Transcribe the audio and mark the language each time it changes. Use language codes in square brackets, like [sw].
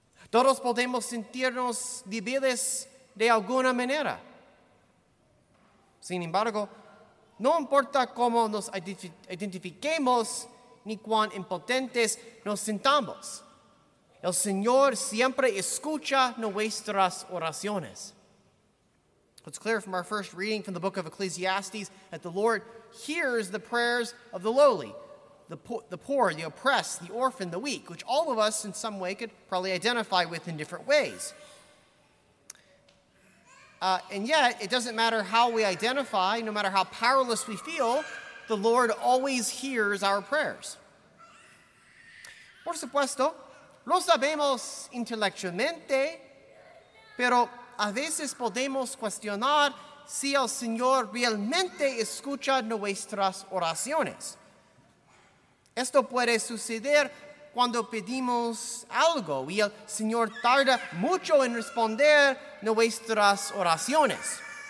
[es] Todos podemos sentirnos débiles de alguna manera. Sin embargo, no importa cómo nos identifiquemos ni cuán impotentes nos sintamos, el Señor siempre escucha nuestras oraciones. [en] It's clear from our first reading from the book of Ecclesiastes that the Lord hears the prayers of the lowly, the poor, the oppressed, the orphan, the weak, which all of us in some way could probably identify with in different ways. And yet, it doesn't matter how we identify, no matter how powerless we feel, the Lord always hears our prayers. [es] Por supuesto, lo sabemos intelectualmente, pero a veces podemos cuestionar si el Señor realmente escucha nuestras oraciones. Esto puede suceder cuando pedimos algo y el Señor tarda mucho en responder nuestras oraciones.